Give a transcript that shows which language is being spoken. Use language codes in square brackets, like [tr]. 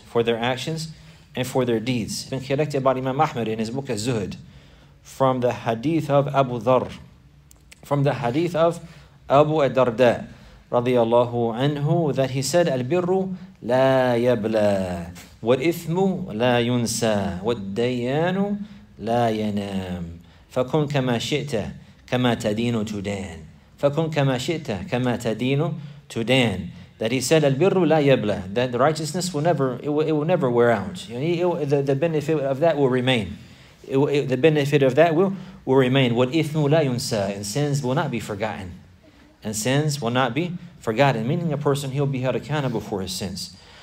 [en] For their actions and for their deeds. It's been collected by Imam Ahmad in his book Az-Zuhd from the hadith of Abu Dharr, from the hadith of Abu Ad-Darda radiyallahu anhu, that he said, [ar] Al-Birru la yabla. والإثم لا ينسى والديان لا ينام فكن كما شئت كما تدين تدان فكن كما شئت كما تدين تدان. [en] That he said, [ar] البر لا يبلى, [en] that the righteousness will never, it will never wear out. You know, the benefit of that will remain. The benefit of that will remain. [ar] والإثم لا ينسى, [en] and sins will not be forgotten. And sins will not be forgotten, meaning a person, he'll be held accountable for his sins.